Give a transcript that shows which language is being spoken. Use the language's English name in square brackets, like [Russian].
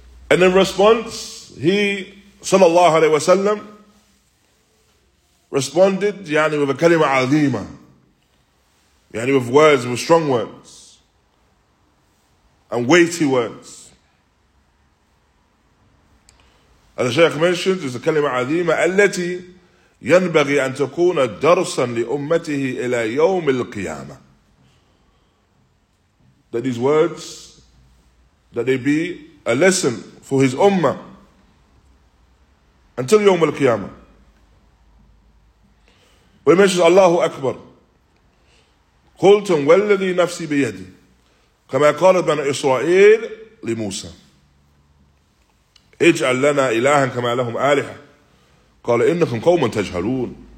[English] And in response, he, sallallahu alayhi wa sallam, responded yani with a kalima azima, yani with words, with strong words, and weighty words. As the Shaykh mentions, it's a kalima azima, [Arabic] التي ينبغي أن تكون درسا لأمته إلى يوم القيامة. [English] That these words, that they be a lesson for his ummah until Yawm al-Qiyamah. When he mentions Allahu Akbar, [Arabic] قُلْتُمْ وَالَّذِي نَفْسِي بِيَدِي كَمَا قَالَ بَنَ إِسْرَائِيلِ لِمُوسَى اجْعَلْ لَنَا إِلَهًا كَمَا لَهُمْ آلِحًا قَالَ إِنَّكُمْ قَوْمًا تَجْهَلُونَ.